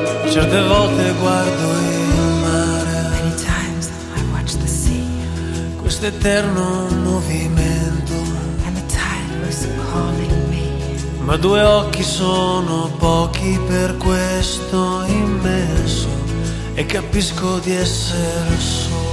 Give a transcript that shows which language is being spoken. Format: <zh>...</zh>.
<it>Certe volte guardo il mare.</it> <en>Many times I watch the sea.</en> <it>Questo eterno movimento.</it> <en>And the tide was calling me.</en> <it>Ma due occhi sono pochi per questo immenso. E capisco di essere solo.</it>